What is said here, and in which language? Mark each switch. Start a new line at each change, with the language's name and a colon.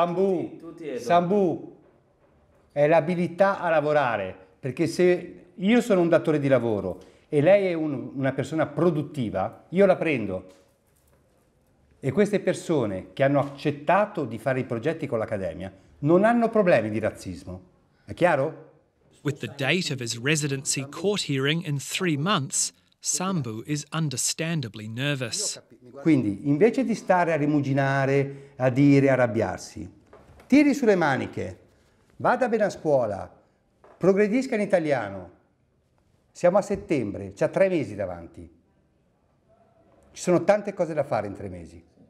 Italian: Sambu, Sambu, è l'abilità a lavorare. Perché se io sono un datore di lavoro e lei è una persona produttiva, io la prendo. E queste persone che hanno accettato di fare i progetti con l'Accademia non hanno problemi di razzismo. È chiaro?
English: With the date of his residency court hearing in 3 months, Sambu is understandably nervous.
Italian: Quindi, invece di stare a rimuginare, a dire, a arrabbiarsi, tiri sulle maniche, vada bene a scuola, progredisca in italiano. Siamo a settembre, c'ha 3 mesi davanti. Ci sono tante cose da fare in 3 mesi.